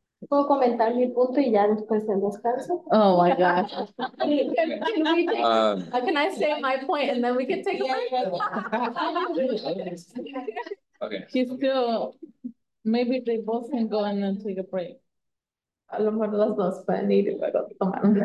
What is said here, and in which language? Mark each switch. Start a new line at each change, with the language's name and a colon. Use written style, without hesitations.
Spanish: ¿Puedo comentar mi punto y ya después en descanso?
English: Oh my gosh. Can I say my point and then we can take a break? Okay. Maybe they both can go and then take a break.
Spanish: A lo mejor las dos pueden ir y luego tomar.